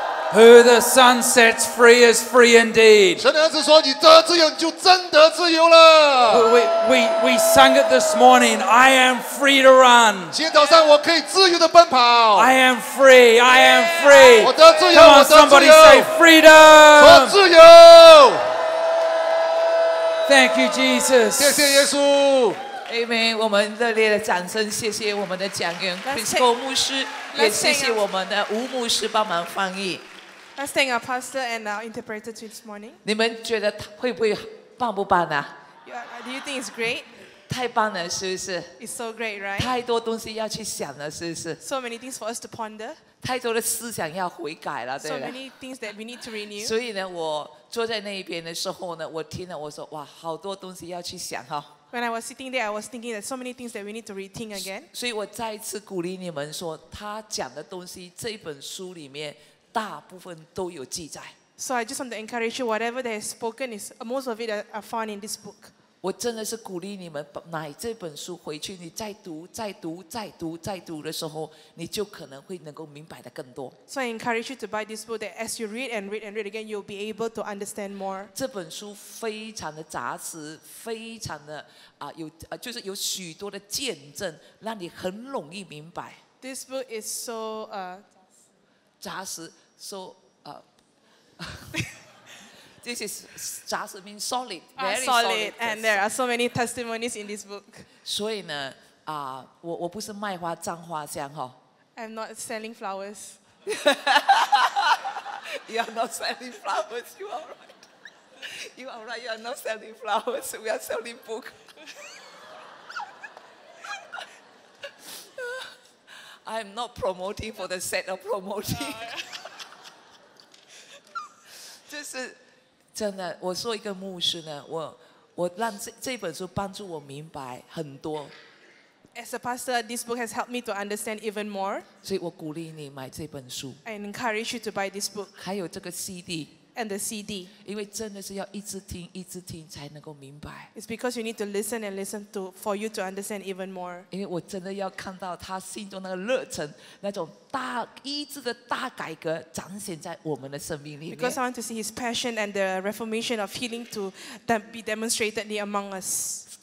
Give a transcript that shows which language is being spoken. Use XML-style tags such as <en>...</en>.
<en>Who the Son sets free is free indeed.</en> <zh>神的儿子说，你得自由，你就真得自由了。</zh> <en>We sang it this morning. I am free to run.</en> <zh>今天早上我可以自由的奔跑。</zh> <en>I am free. I am free.</en> <zh>我得自由，我得自由。</zh> <en>Come on, somebody say freedom.</en> <zh>得自由。</zh> <en>Thank you, Jesus.</en> <zh>谢谢耶稣。 Amen. 我们热烈的掌声，谢谢我们的讲员 Chris Gore 牧师，也谢谢我们的吴牧师帮忙翻译。</zh> <en>Let's thank our pastor and our interpreter this morning.</en> <zh>你们觉得会不会棒不棒啊？</zh> <en>Do you think it's great?</en> <zh>太棒了，是不是？</zh> <en>It's so great, right?</en> <zh>太多东西要去想了，是不是？</zh> <en>So many things for us to ponder.</en> <zh>太多的思想要悔改了，对吧？</zh> <en>So many things that we need to renew.</en> <zh>所以呢，我坐在那边的时候呢，我听了，我说哇，好多东西要去想哈。</zh> <en>When I was sitting there, I was thinking that so many things that we need to rethink again.</en> <zh>所以我再一次鼓励你们说，他讲的东西，这本书里面大部分都有记载。</zh> <en>So I just want to encourage you, whatever they have spoken is most of it are found in this book.</en> <zh>我真的是鼓励你们买这本书回去，你再读、再读、再读、再读的时候，你就可能会能够明白的更多。</zh> <en>So I encourage you to buy this book that as you read and read and read again, you'll be able to understand more.</en> <zh>这本书非常的扎实，非常的就是有许多的见证，让你很容易明白。</zh> <en>This book is so 扎实 ，so this is 扎实 means solid, very solid, solid. And there are so many testimonies in this book.</en> <zh>所以呢，我不是卖花葬花香哈。</zh> <en>I'm not selling flowers. You are not selling flowers. You are right. You are right. You are not selling flowers. We are selling book. 'm not promoting for the sake of promoting.</en> <zh>就是真的，我做一个牧师呢，我让这本书帮助我明白很多。</zh> <en>As a pastor, this book has helped me to understand even more.</en> <zh>所以我鼓励你买这本书。</zh> <en>I encourage you to buy this book.</en> <zh>还有这个 CD.</zh> <en>and the CD.</en> <zh>因为真的是要一直听，一直听才能够明白。</zh> <en>It's because you need to listen and listen to for you to understand even more.</en> <zh>因为我真的要看到他心中那个热忱，那种大医治的大改革彰显在我们的生命里面。</zh> <en>Because I want to see his passion and the reformation of healing to be demonstratedly among us.</en>